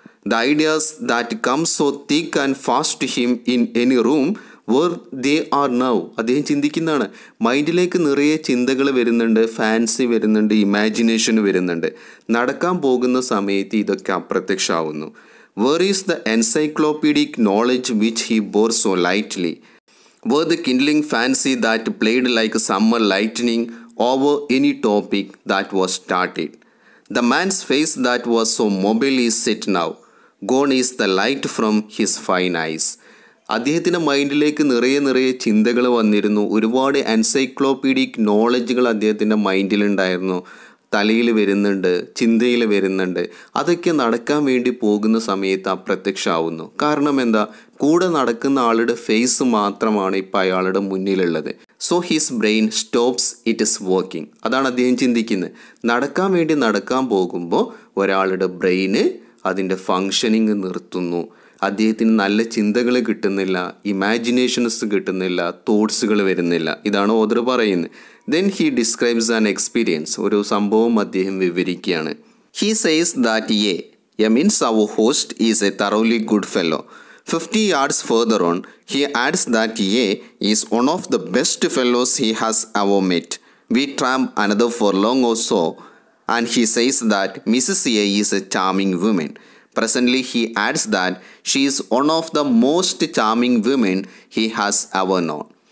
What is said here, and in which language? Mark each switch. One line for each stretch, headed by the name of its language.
English: The ideas that come so thick and fast him in any room where they are now.
Malayalam: അദ്ദേഹം ചിന്തിക്കുന്നതാണ്, മൈൻഡിലേക്ക് നിറയെ ചിന്തകൾ വരുന്നുണ്ട്, fancy വരുന്നുണ്ട്, imagination വരുന്നുണ്ട്. നടക്കാൻ പോകുന്ന സമയത്ത് ഇതൊക്കെ അപ്രത്യക്ഷമാകുന്നു.
English: Where is the encyclopedic knowledge which he bore so lightly? Where the kindling fancy that played like summer lightning over any topic that was started? The man's face that was so mobile is set now. Gone is the light from his fine eyes.
Malayalam: അദ്ദേഹത്തിൻ്റെ മൈൻഡിലേക്ക് നിറയെ നിറയെ ചിന്തകൾ വന്നിരുന്നു, ഒരുപാട് encyclopaedic നോളജുകൾ അദ്ദേഹത്തിൻ്റെ മൈൻഡിലുണ്ടായിരുന്നു, തലയിൽ വരുന്നുണ്ട്, ചിന്തയിൽ വരുന്നുണ്ട്. അതൊക്കെ നടക്കാൻ വേണ്ടി പോകുന്ന സമയത്ത് അപ്രത്യക്ഷമാവുന്നു. കാരണം എന്താ, കൂടെ നടക്കുന്ന ആളുടെ ഫേസ് മാത്രമാണ് ഇപ്പോൾ അയാളുടെ മുന്നിലുള്ളത്.
English: So his brain stops it is working.
Malayalam: അതാണ് അദ്ദേഹം ചിന്തിക്കുന്നത്, നടക്കാൻ വേണ്ടി നടക്കാൻ പോകുമ്പോൾ ഒരാളുടെ ബ്രെയിന് അതിൻ്റെ ഫങ്ഷനിങ് നിർത്തുന്നു. അദ്ദേഹത്തിന് നല്ല ചിന്തകൾ കിട്ടുന്നില്ല, ഇമാജിനേഷൻസ് കിട്ടുന്നില്ല, തോട്ട്സുകൾ വരുന്നില്ല. ഇതാണ് ഓദർ പറയുന്നത്.
English: then he describes an experience,
Malayalam: ഒരു സംഭവം അദ്ദേഹം വിവരിക്കുകയാണ്.
English: He says that A means our host is a thoroughly good fellow. 50 yards further on, he adds that A is one of the best fellows he has ever met. We tramp another for long or so, and he says that Mrs. A is a charming woman. Presently, he adds that she is one of the most charming women he has ever known.